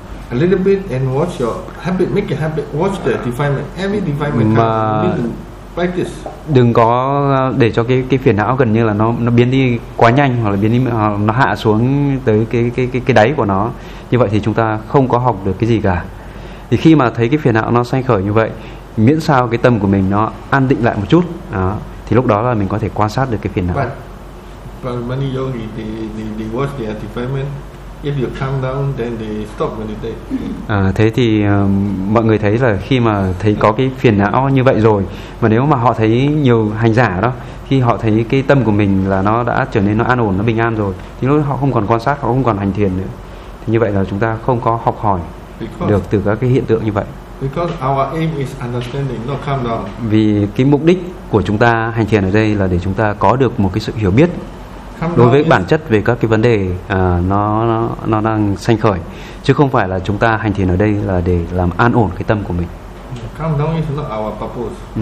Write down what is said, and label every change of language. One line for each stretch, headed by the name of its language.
English: a little bit and watch your habit, make a habit, watch the defilement, every defilement comes, practice.
Vietnamese: Đừng có để cho cái phiền não gần như là nó biến đi quá nhanh hoặc là biến đi, nó hạ xuống tới cái đáy của nó. Như vậy thì chúng ta không có học được cái gì cả. Thì khi mà thấy cái phiền não nó sanh khởi như vậy, miễn sao cái tâm của mình nó an định lại một chút đó, thì lúc đó là mình có thể quan sát được cái phiền não.
English: But many yogis they watch the defilement. If you calm down, then they stop meditate.
Vietnamese: Thế thì mọi người thấy là khi mà thấy có cái phiền não như vậy rồi, mà nếu mà họ thấy nhiều hành giả đó, khi họ thấy cái tâm của mình là nó đã trở nên nó an ổn, nó bình an rồi, thì lúc họ không còn quan sát, họ không còn hành thiền nữa. Thì như vậy là chúng ta không có học hỏi được từ các cái hiện tượng như vậy.
English: Because our aim is understanding, not calm down.
Vietnamese: Vì cái mục đích của chúng ta hành thiền ở đây là để chúng ta có được một cái sự hiểu biết đối với bản chất về các cái vấn đề nó đang sanh khởi, chứ không phải là chúng ta hành thiền ở đây là để làm an ổn cái tâm của mình.
English: Calm down is not our purpose.